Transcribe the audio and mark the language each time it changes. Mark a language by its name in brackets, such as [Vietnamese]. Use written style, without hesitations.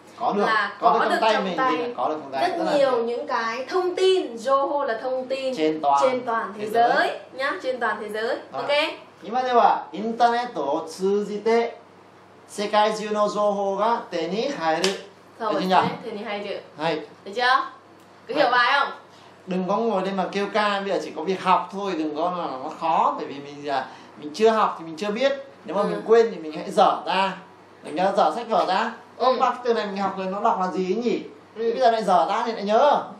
[Vietnamese] có được, có được trong tay mình, có được trong tay rất nhiều những cái thông tin, Joho là thông tin trên toàn thế giới nhá, trên toàn thế giới. Ok. [Japanese] 今では、インターネットを通じて世界中の情報が手に入る。そうですね、手に入る。はい。でしょ？ [Vietnamese] có hiểu bài không？ Đừng có ngồi đây mà kêu ca, bây giờ chỉ có việc học thôi, đừng có là nó khó, bởi vì mình chưa học thì mình chưa biết. Nếu mà mình quên thì mình hãy dở ra, mình nhớ dở sách vở ra. Bác từ này mình học rồi nó đọc là gì ấy nhỉ? Bây giờ lại dở ra thì lại nhớ.